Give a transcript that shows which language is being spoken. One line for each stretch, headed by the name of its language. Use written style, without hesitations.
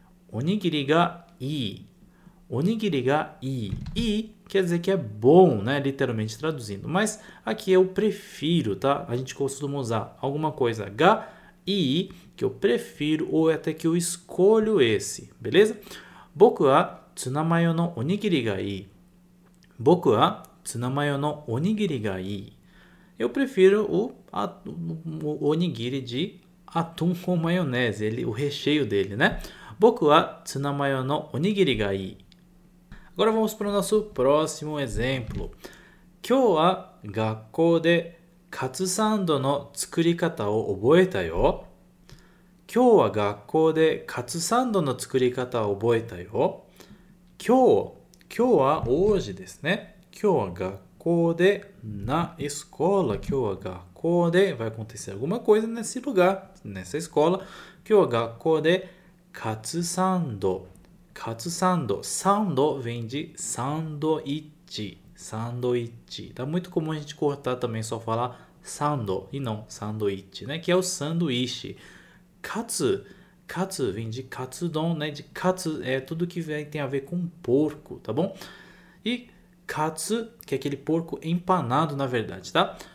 Japanese: Onigiri ga ii. Onigiri ga ii.
Portuguese: Ii quer dizer que é bom, né? Literalmente traduzindo. Mas aqui eu prefiro, tá? A gente costuma usar alguma coisa ga ii, que eu prefiro, ou até que eu escolho esse, beleza?
Japanese: Boku wa ツナマヨのおにぎりがいい。僕はツナマヨのおにぎりがいい。
Portuguese: Eu prefiro o onigiri de atum com maionese, ele, o recheio dele, né?
Japanese: 僕はツナマヨのおにぎりがいい。
Portuguese: Agora vamos para o nosso próximo exemplo.
Japanese: 今日は学校でカツサンドの作り方を覚えたよ。今日は学校でカツサンドの作り方を覚えたよ。今日は
Portuguese: hoje
Japanese: ですね。今日は学校で、
Portuguese: na escola。
Japanese: 今日は学校で、
Portuguese: vai acontecer alguma coisa nesse lugar, nessa escola.
Japanese: 今日は学校で、カツサンド。カツサンド。サンド
Portuguese: vem de
Japanese: サンドイッチ。
Portuguese: Sanduíche. Tá muito comum a gente cortar também, só falar sando e não sanduíche, né? Que é o sanduíche. Katsu. Katsu vem de katsudon, né? De katsu é tudo que vem, tem a ver com porco, tá bom? E katsu, que é aquele porco empanado, na verdade, tá?